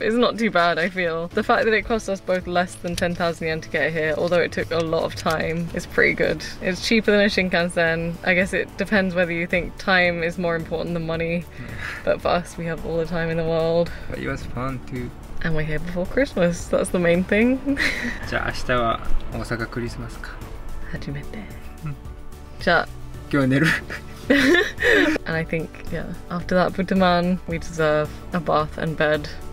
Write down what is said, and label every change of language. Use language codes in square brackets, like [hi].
[en] It's not too bad, I feel. The fact that it cost us both less than 10,000 yen to get here, although it took a lot of time, is pretty good. It's cheaper than a Shinkansen. I guess it depends whether you think time is more important than money. But for us, we have all the time in the world. But it was fun, too. And we're here before Christmas. That's the main thing. [ja] じゃあ明日は大阪クリスマスか。初めて。じゃあ今日は寝る。 [en] And I think, yeah, after that butaman, we deserve a bath and bed.